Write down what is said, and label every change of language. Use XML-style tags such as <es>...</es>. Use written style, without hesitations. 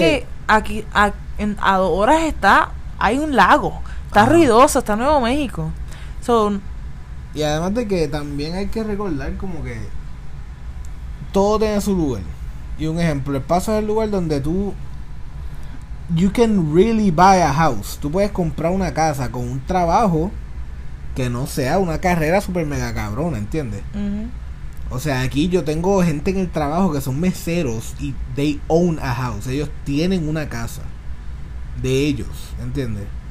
<es>que aquí a 2 horas está. Hay un lago. Está Ajá. ruidoso, está Nuevo México. Son. Y además de que también hay que recordar como que todo tiene su lugar. Y un ejemplo, El Paso es el lugar donde tú.</es> <en>You can really buy a house.</en> <es>Tú puedes comprar una casa con un trabajo que no sea una carrera super mega cabrona, ¿entiendes? O sea, aquí yo tengo gente en el trabajo que son meseros y</es> <en>they own a house.</en> <es>Ellos tienen una casa de ellos, ¿entiendes?</es>